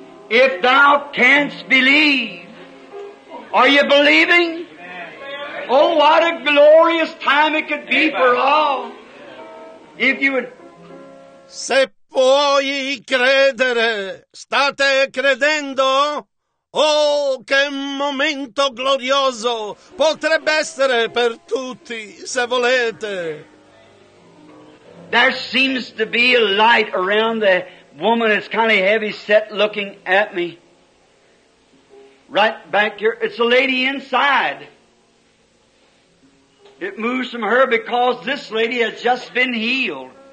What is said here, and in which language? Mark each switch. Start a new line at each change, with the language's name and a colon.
English: If thou canst believe, are you believing? Oh, what a glorious time it could be for all. If you would.
Italian: Se puoi credere, state credendo? Oh, che momento glorioso potrebbe essere per tutti, se volete.
English: There seems to be a light around the woman is kind of heavy set looking at me. Right back here. It's a lady inside. It moves from her because this lady has just been healed.